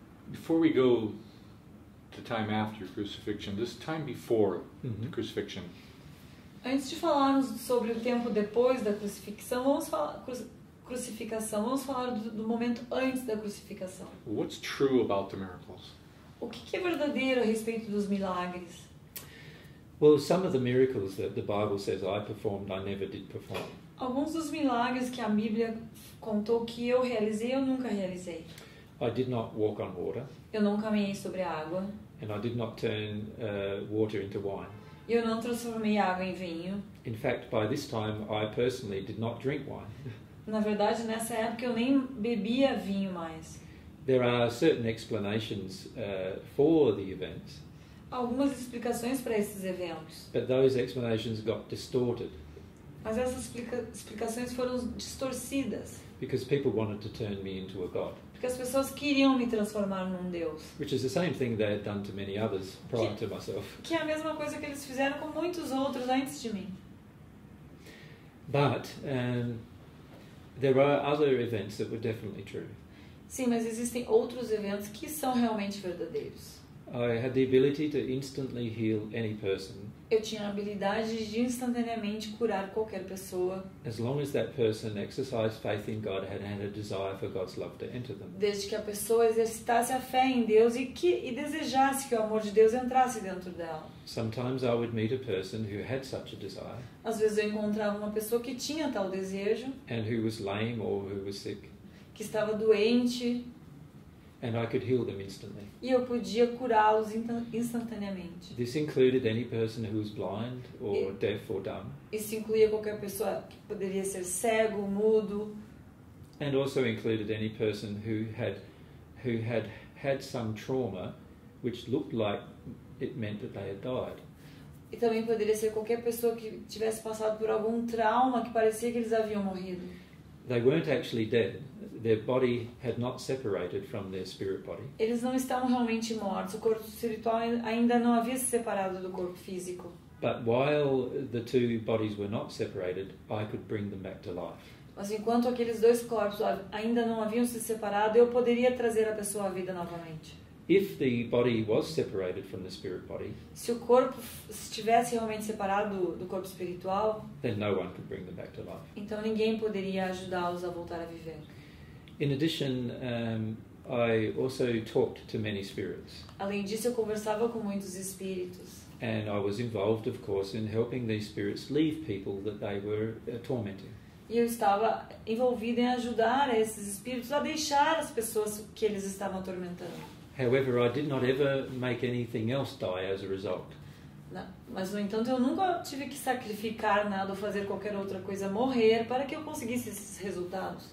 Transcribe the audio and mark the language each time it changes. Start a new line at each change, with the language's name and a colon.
English: Before we go to time after crucifixion, this time before the crucifixion.
Portuguese: Antes de falarmos sobre o tempo depois da crucifixão, vamos falar do momento antes da crucificação.
English: What's true about the miracles?
Portuguese: O que é verdadeiro a respeito dos milagres?
English: Well, some of the miracles that the Bible says I performed, I never did perform.
Portuguese: Alguns dos milagres que a Bíblia contou que eu realizei, eu nunca realizei.
English: I did not walk on water.
Portuguese: Eu não caminhei sobre a água.
English: And I did not turn water into wine.
Portuguese: Eu não transformei água em vinho.
English: In fact, by this time, I personally did not drink wine.
Portuguese: Na verdade, nessa época, eu nem bebia vinho mais.
English: There are certain explanations for the events.
Portuguese: Algumas explicações para esses eventos.
English: But those explanations got distorted.
Portuguese: Mas essas explicações foram distorcidas.
English: Because people wanted to turn me into a god.
Portuguese: Porque as pessoas queriam me transformar num deus.
English: Which is the same thing they had done to many others prior to myself.
Portuguese: Que é a mesma coisa que eles fizeram com muitos outros antes de mim.
English: But there are other events that were definitely true.
Portuguese: Sim, mas existem outros eventos que são realmente verdadeiros.
English: I had the ability to instantly heal any person.
Portuguese: Eu tinha a habilidade de instantaneamente curar qualquer pessoa.
English: As long as that person exercised faith in God and had a desire for God's love to enter them.
Portuguese: Desde que a pessoa exercitasse a fé em Deus e desejasse que o amor de Deus entrasse dentro dela.
English: Sometimes I would meet a person who had such a desire.
Portuguese: Às vezes eu encontrava uma pessoa que tinha tal desejo.
English: And who was lame or who was sick.
Portuguese: Que estava doente.
English: And I could heal them instantly.
Portuguese: E eu podia curá-los instantaneamente.
English: This included any person who was blind or deaf or dumb.
Portuguese: Isso incluía qualquer pessoa que poderia ser cego, mudo.
English: And also included any person who had some trauma, which looked like it meant that they had died.
Portuguese: E também poderia ser qualquer pessoa que tivesse passado por algum trauma que parecia que eles haviam morrido.
English: They weren't actually dead. Their body had not separated from their spirit body.
Portuguese: Eles não estavam realmente mortos. O corpo espiritual ainda não havia se separado do corpo físico.
English: But while the two bodies were not separated, I could bring them back to life.
Portuguese: Mas enquanto aqueles dois corpos ainda não haviam se separado, eu poderia trazer a pessoa à vida novamente.
English: If the body was separated from the spirit body,
Portuguese: se o corpo estivesse realmente separado do corpo espiritual,
English: then no one could bring them back to life.
Portuguese: Então ninguém poderia ajudá-los a voltar a viver.
English: In addition, I also talked to many spirits.
Portuguese: Além disso, eu conversava com muitos espíritos.
English: And I was involved, of course, in helping these spirits leave people that they were tormenting.
Portuguese: E eu estava envolvida em ajudar esses espíritos a deixar as pessoas que eles estavam atormentando.
English: However, I did not ever make anything else die as a result.
Portuguese: Mas, no entanto, eu nunca tive que sacrificar nada ou fazer qualquer outra coisa morrer para que eu conseguisse esses resultados.